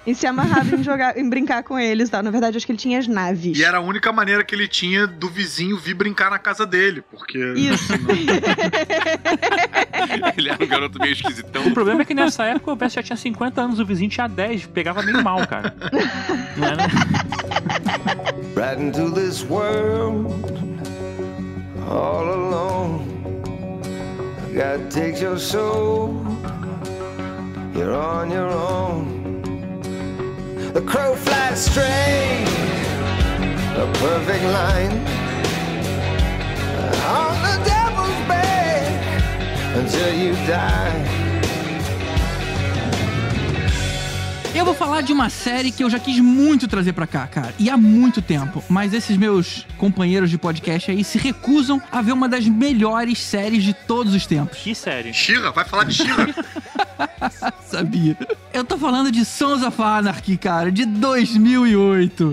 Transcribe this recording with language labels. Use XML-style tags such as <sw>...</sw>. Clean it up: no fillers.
<pt>E se amarrava em jogar, em brincar com eles e tal. Na verdade, acho que ele tinha as naves. E era a única maneira que ele tinha do vizinho vir brincar na casa dele. Porque. Isso. Ele era um garoto meio esquisitão. O problema é que nessa época o Bess já tinha 50 anos, o vizinho tinha 10, pegava meio mal, cara.</pt> <en>Right into this world, all alone. God takes your soul, you're on your own. The crow flies straight, a perfect line. On the devil's back until you die.</en> <pt>Eu vou falar de uma série que eu já quis muito trazer pra cá, cara. E há muito tempo. Mas esses meus companheiros de podcast aí se recusam a ver uma das melhores séries de todos os tempos. Que série? She-Ra, vai falar de She-Ra. Sabia. Eu tô falando de Sons of Anarchy, cara, de 2008.</pt>